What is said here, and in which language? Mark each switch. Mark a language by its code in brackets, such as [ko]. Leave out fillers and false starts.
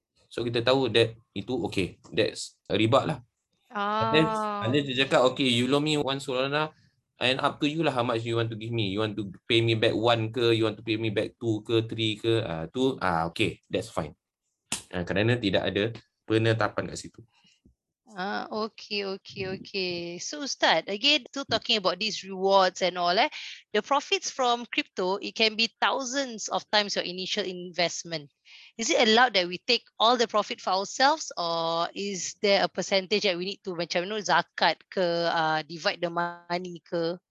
[en] So kita tahu that itu okay, that's riba lah. And then dia cakap okay, you loan me one Solana, and up to you lah how much you want to give me. You want to pay me back 1 ke, you want to pay me back 2 ke, 3 ke, okay, that's fine. [ms] Kerana tidak ada penetapan kat situ. [en] Okay. So Ustaz, again, still talking about these rewards and all, the profits from crypto, it can be thousands of times your initial investment. Is it allowed that we take all the profit for ourselves, or is there a percentage that we need to, macam, you know, zakat ke, divide the money ke?